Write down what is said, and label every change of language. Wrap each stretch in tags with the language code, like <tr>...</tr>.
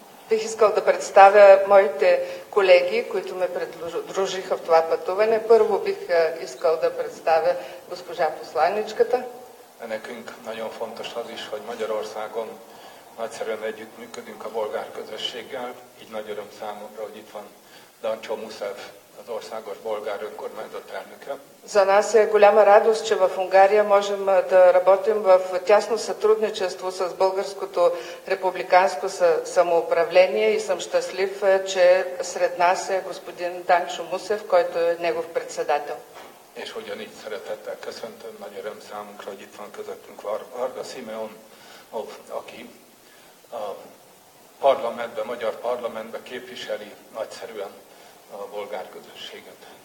<bg>Бих искал да представя моите колеги, които ме предложиха в това пътуване. Първо бих искал да представя госпожа посланничката.</bg> <hu>Nekünk nagyon fontos az is, hogy Magyarországon nagyszerűen együttműködünk a bolgár közösséggel. Így nagy öröm számomra, hogy itt van Dancsó Muszáv, az országos bolgár önkormányzat elnöke.</hu> <bg>За нас е голяма радост, че в Унгария можем да работим в тясно сътрудничество с българското републиканско самоуправление и съм щастлив, че сред нас е господин Данчо Мусев, който е негов председател.</bg> <hu>És ugyanígy szeretettel köszöntöm nagy öröm számunkra, hogy itt van közöttünk Varga Simeon, aki a parlamentben, magyar parlamentben képviseli nagyszerűen a bolgár közösséget.</hu>